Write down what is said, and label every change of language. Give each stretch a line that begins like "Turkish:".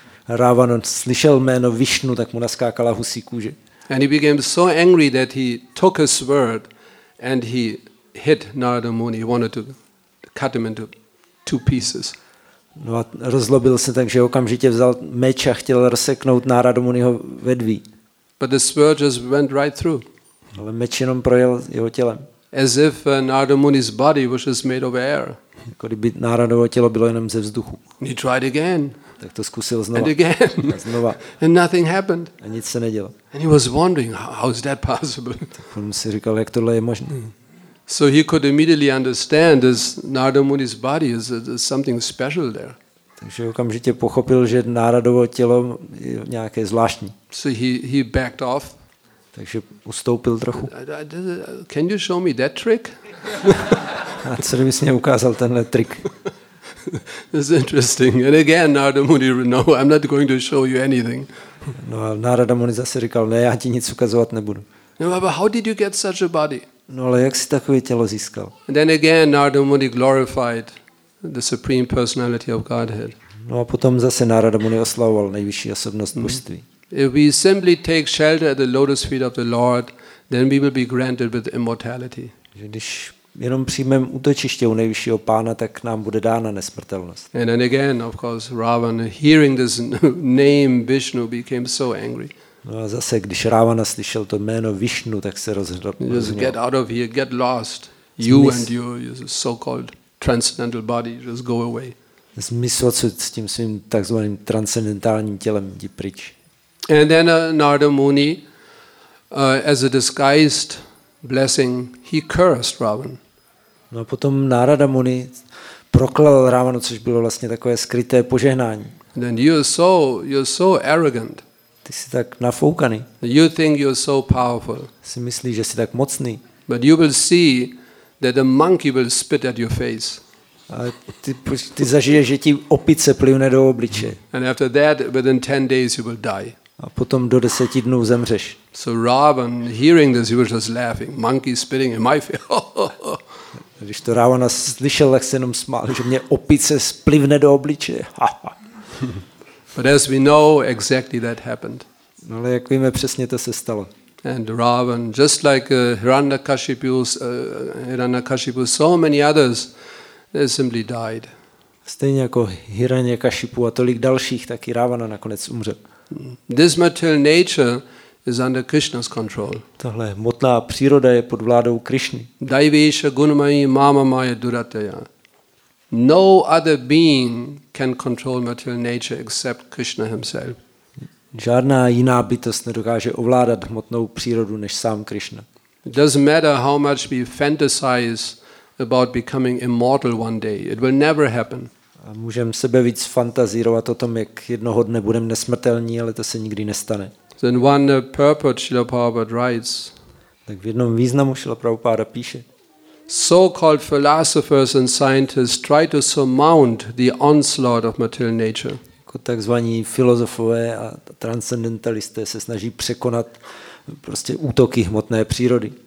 Czech: Ravan slyšel jméno Višnu, tak mu naskákala husí kůže.
English: And he became so angry that he took his sword and he hit Narada Muni. He wanted to cut him into two pieces.
Czech: No a rozlobil se tak, že okamžitě vzal meč a chtěl rozseknout Narada Muniho vedví.
English: But the sword just went right through.
Czech: Ale meč jenom projel jeho tělem.
English: As if Narada Muni's body was just made of air.
Czech: Jako kdyby Naradovo tělo bylo jenom ze vzduchu.
English: He tried again.
Czech: Tak to zkusil znova.
English: And again.
Czech: Znova.
English: And nothing happened.
Czech: A nic se nedělo.
English: And he was wondering how is that possible.
Czech: On si říkal, jak tohle je možné.
English: So he could immediately understand is Narada Muni's body is something special there.
Czech: Takže okamžitě pochopil, že Naradovo tělo je nějaké zvláštní.
English: So he backed off.
Czech: Takže ustoupil trochu.
English: Can you show me that trick?
Czech: A co bys mě ukázal tenhle trik?
English: It's interesting. And again, Narada Muni, no, I'm not going to show you anything.
Czech: No, a Narada Muni zase říkal, ne, já ti nic ukazovat nebudu.
English: No, but how did you get such a body?
Czech: No, ale jak jsi takové tělo získal?
English: And then again, Narada Muni glorified the supreme personality of Godhead.
Czech: No, a potom zase Narada Muni oslavoval nejvyšší osobnost božství.
English: If we simply take shelter at the lotus feet of the Lord, then we will be granted with immortality.
Czech: Když jenom přijmeme útočiště u nejvyššího pána, tak nám bude dána nesmrtelnost.
English: And then again, of course, Ravana, hearing this name Vishnu, became so angry.
Czech: No a zase, když Ravana slyšel to jméno Vishnu, tak se rozhodl.
English: Just get out of here, get lost. You and your so-called transcendental body, just go away.
Czech: Zmysl, co s tím svým takzvaným transcendentálním tělem, jdi pryč.
English: And then Narada Muni, as a disguised blessing, he cursed Ravan.
Czech: No a potom Narada Muni proklal Ravanu, což bylo vlastně takové skryté požehnání.
English: And then you're so arrogant.
Czech: Ty jsi tak nafoukaný.
English: You think you're so powerful.
Czech: Si myslíš, že jsi tak mocný.
English: But you will see that a monkey will spit at your face.
Czech: A ty zažiješ, že ti opice plivne do obliče.
English: And after that, within 10 days, you will die.
Czech: A potom do 10 dnů zemřeš.
English: So Ravan, hearing this, he was just laughing. Monkey spitting in my face.
Czech: Když to Ravana slyšel, tak se jenom smál, že mě opice splivne do obličeje.
English: But as we know, exactly that happened.
Czech: No, ale jak víme, přesně to se stalo.
English: And Ravan, just like Hiranyakashipu, so many others, they simply died.
Czech: Stejně jako Hiranyakashipu a tolik dalších, tak i Ravana nakonec umřel.
English: This material nature is under Krishna's control.
Czech: Tahle hmotná příroda je pod vládou Krishny.
Sanskrit: Daivesha gunamayi mama maya durataya.
English: No other being can control material nature except Krishna himself.
Czech: Žádná jiná bytost nedokáže ovládat hmotnou přírodu než sám Krishna.
English: It doesn't matter how much we fantasize about becoming immortal one day. It will never happen.
Czech: A můžeme sebe víc fantazírovat o tom, jak jednoho dne budeme nesmrtelní, ale to se nikdy nestane.
English: Then one purport Srila Prabhupada writes.
Czech: Tak v jednom významu Srila Prabhupada píše.
English: So-called philosophers and scientists try to surmount the onslaught of material nature.
Czech: Jako takzvaní filozofové a transcendentalisté se snaží překonat prostě útoky hmotné přírody.